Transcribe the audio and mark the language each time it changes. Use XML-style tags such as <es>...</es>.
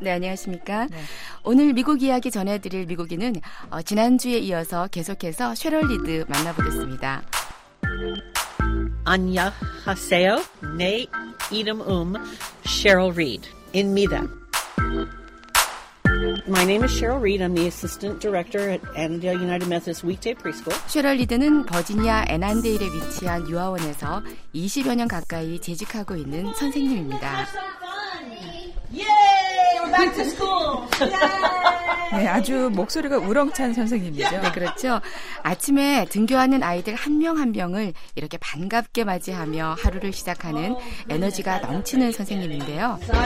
<ko>네, 안녕하십니까. 네. 오늘 미국 이야기 전해드릴 미국인은 지난주에 이어서 계속해서 쉐럴 리드 만나보겠습니다. 안녕하세요. 내 이름은 쉐럴 리드입니다.</ko> <en>My name is Cheryl Reed. I'm the assistant director at Annandale United Methodist Weekday Preschool.</en> <ko>쉐럴 리드는 버지니아 애난데일에 위치한 유아원에서 20여 년 가까이 재직하고 있는 선생님입니다.</ko> <en>Back to school.</en> <ko>네, 아주 목소리가 우렁찬 선생님이죠. 네, 그렇죠. 아침에 등교하는 아이들 한 명 한 명을 이렇게 반갑게 맞이하며 하루를 시작하는 에너지가 넘치는 선생님인데요.</ko>